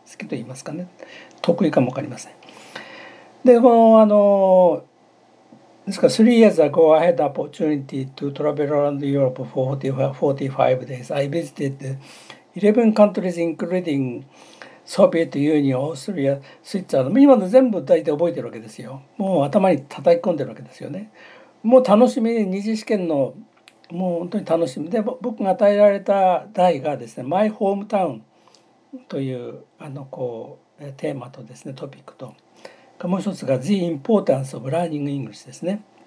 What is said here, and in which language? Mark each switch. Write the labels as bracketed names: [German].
[Japanese] 好きと言いますかね、得意かも分かりません。でこのですから [English] 3 years ago I had opportunity to travel around Europe for 45 days. I visited 11 countries including Soviet Union, Austria, Switzerland. [Japanese] 今の全部大体覚えてるわけですよ。もう頭に叩き込んでるわけですよね。もう楽しみに、二次試験のもう本当に楽しみで、僕が与えられた題がですね、マイホームタウンというテーマとですね、トピックと、もう一つが [English] The Importance of Learning English [Japanese] ですね。